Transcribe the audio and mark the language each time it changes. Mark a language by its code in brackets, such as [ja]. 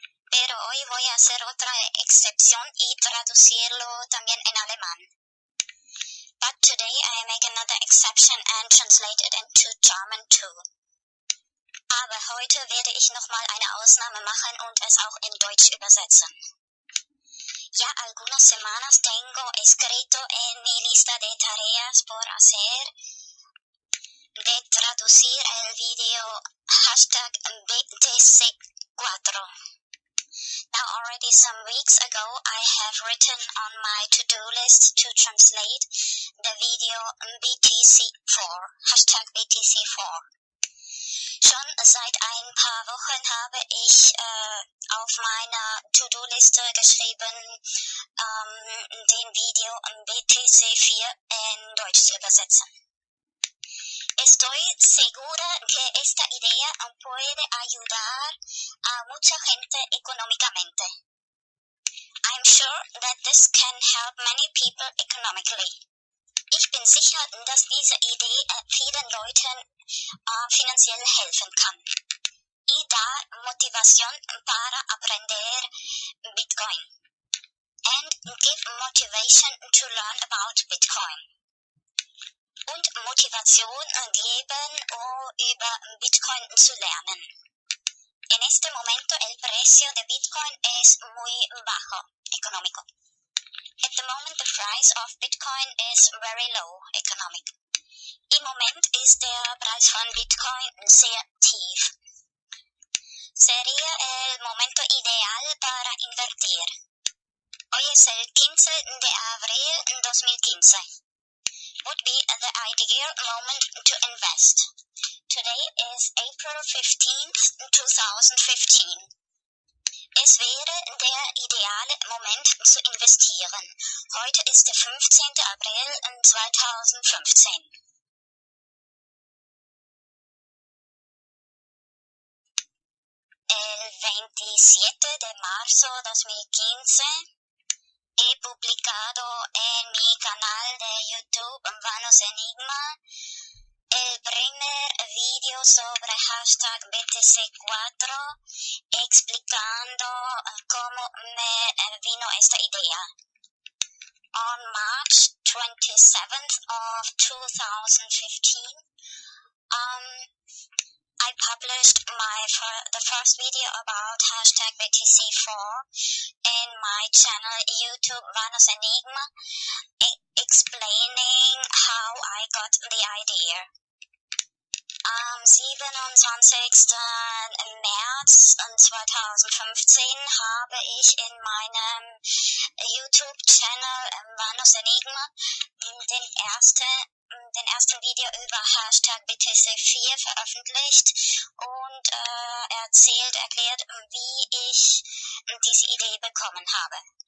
[es] Pero hoy voy a hacer otra excepción y traducirlo también en alemán. [en] But today I make another exception and translate it into German too. [de] Aber heute werde ich nochmal eine Ausnahme machen und es auch in Deutsch übersetzen. [es] Ya algunas semanas tengo escrito en mi lista de tareas por hacer de traducir el video hashtag BTC4. [en] Now already some weeks ago I have written on my to-do list to translate the video BTC4, hashtag BTC4. [de] Schon seit ein paar Wochen habe ich auf meiner To-Do-Liste geschrieben, den Video BTC4 in Deutsch zu übersetzen. [es] Estoy segura que esta idea puede ayudar a mucha gente económicamente. [en] I'm sure that this can help many people economically. [de] Ich bin sicher, dass diese Idee vielen Leuten finanziell helfen kann. [es] Y da motivación para aprender Bitcoin. [en] And give motivation to learn about Bitcoin. [de] Und Motivation geben, über Bitcoin zu lernen. [es] En este momento el precio de Bitcoin es muy bajo, económico. [en] At the moment, the price of Bitcoin is very low, economic. [de] Im Moment ist der Preis von Bitcoin sehr tief. [es] Sería el momento ideal para invertir. Hoy es el 15 de abril 2015. [en] Would be the ideal moment to invest. Today is April 15th, 2015. [de] Es wäre der ideale Moment zu investieren. Heute ist der 15. April 2015. [es] El 27 de marzo 2015 he publicado en mi canal de YouTube Vanos Enigma el primer video sobre hashtag BTC4 explicando cómo me vino esta idea. [en] On March 27th of 2015, I published the first video about hashtag BTC4 in my channel YouTube Vanos Enigma explaining how I got the idea. [de] Am 27. März 2015 habe ich in meinem YouTube-Channel Vanos Enigma den ersten Video über Hashtag BTC4 veröffentlicht und erklärt, wie ich diese Idee bekommen habe.